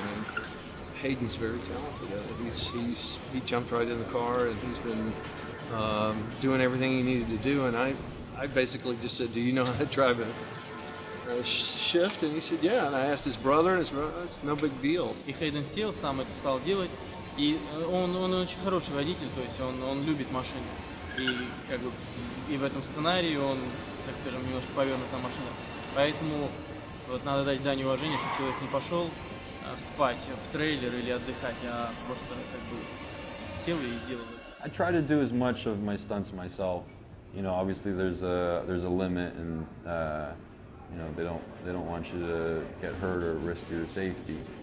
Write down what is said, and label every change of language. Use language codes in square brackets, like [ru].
[en] And Hayden's very talented at it. He jumped right in the car and he's been doing everything he needed to do. And I basically just said, "Do you know how to drive it?" Shift, and he said, "Yeah." And I asked his brother, and his brother, "It's no big deal." [ru] И Хейден сел, сам это стал делать, и он очень хороший водитель, то есть он любит машины, и как бы и в этом сценарии он, так скажем, немножко повернут на машину, поэтому вот надо дать дань уважения, что человек не пошел спать в трейлер или отдыхать, а просто как бы сел и сделал. [en] I try to do as much of my stunts myself. You know, obviously there's a limit, and you know, they don't want you to get hurt or risk your safety.